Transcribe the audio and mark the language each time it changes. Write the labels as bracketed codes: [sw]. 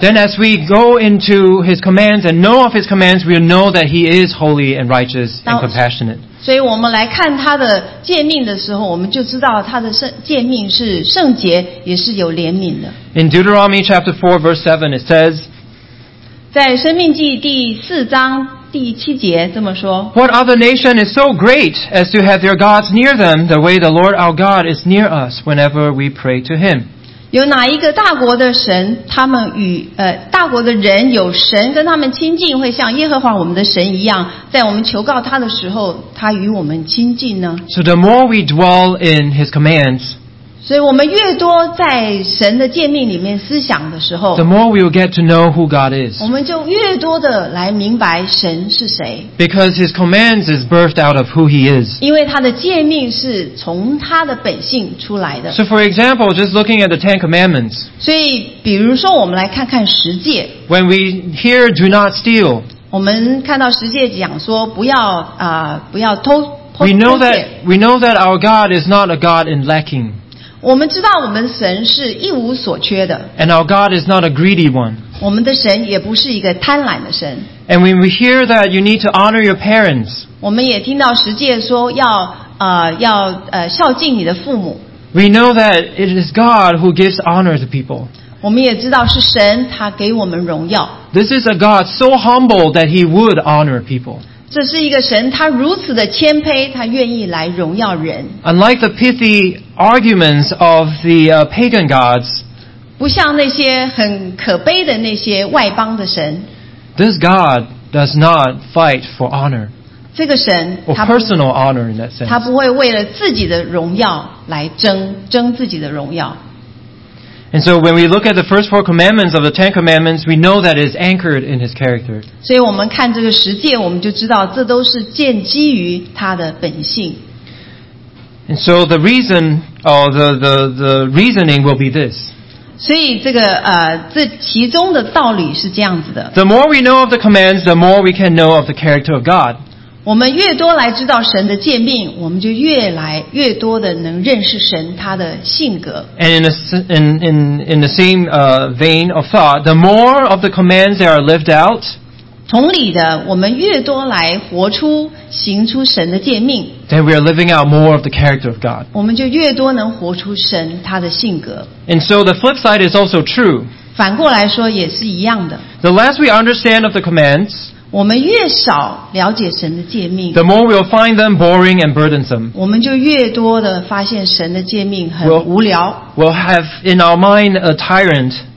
[en] Then as we go into his commands and know of his commands we'll know that he is holy and righteous and compassionate [zh] 所以我们来看他的诫命的时候我们就知道他的诫命是圣洁也是有怜悯的 [en] In Deuteronomy chapter 4 verse 7 it says [zh] 在申命记第四章第七节这么说 [en] What other nation is so great as to have their gods near them the way the Lord our God is near us whenever we pray to him [zh] 有哪一个大国的神他们与大国的人有神跟他们亲近会像耶和华我们的神一样在我们求告他的时候他与我们亲近呢 [en] So the more we dwell in his commands [zh] 所以我们越多在神的诫命里面思想的时候 [en] The more we will get to know who God is [zh] 我们就越多的来明白神是谁 [en] Because his commands is birthed out of who he is [zh] 因为他的诫命是从他的本性出来的 [en] So for example, just looking at the Ten Commandments [zh] 所以比如说我们来看看十诫 [en] When we hear do not steal [zh] 我们看到十诫讲说不要偷窃 [en] We know that our God is not a God in lacking [zh] 我们知道我们神是一无所缺的 [en] And our God is not a greedy one [zh] 我们的神也不是一个贪婪的神 [en] And when we hear that you need to honor your parents [zh] 我们也听到十诫说要孝敬你的父母。 [en] We know that it is God who gives honor to people. [zh] 我们也知道是神他给我们荣耀。 [en] This is a God so humble that he would honor people. [zh] 这是一个神他如此的谦卑他愿意来荣耀人。 [en] Unlike the pithy arguments of the pagan gods, [zh] 不像那些很可悲的那些外邦的神。 [en] This God does not fight for honor. [zh] 这个神 [en] or personal honor in that sense. [zh] 他不会为了自己的荣耀来争自己的荣耀。 [en] And so when we look at the first four commandments of the Ten Commandments, we know that it is anchored in his character. [zh] 所以我们看这个十诫，我们就知道这都是建基于他的本性。 [en] And so the reason, or the reasoning will be this. [zh] 所以这个这其中的道理是这样子的。 [en] The more we know of the commands, the more we can know of the character of God. [zh] 我们越多来知道神的诫命，我们就越多的能认识神他的性格。 [en] And in the same vein of thought, the more of the commands that are lived out, [zh] 同理的，我们越多来活出行出神的诫命， [en] then we are living out more of the character of God. [zh] 我们就越多能活出神他的性格。 [en] And so the flip side is also true. [zh] 反过来说也是一样的。 [en] The less we understand of the commands, [zh] 我们越少了解神的诫命 [en] the more we'll find them boring and burdensome. [zh] 我们就越多的发现神的诫命很无聊 [en] we'll have in our mind a tyrant.